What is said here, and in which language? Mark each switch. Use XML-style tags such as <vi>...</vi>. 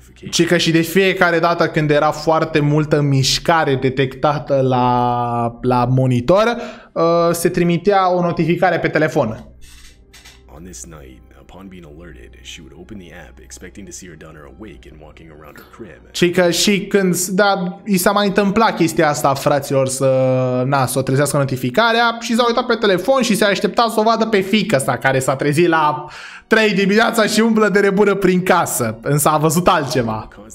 <ro>Ci că și de fiecare dată când era foarte multă mișcare detectată la monitor, se trimitea o notificare pe telefon.</ro> <en>On this night, upon being alerted, she would open the app, expecting to see her daughter awake and walking around her crib.</en> <ro>Chica, și când, da, i s-a mai întâmplat chestia asta, fraților, să, na, să o trezească notificarea și s-a uitat pe telefon și se aștepta să o vadă pe fiica sa, care s-a trezit la 3 dimineața și umblă de nebună prin casă, însă a văzut altceva.</ro>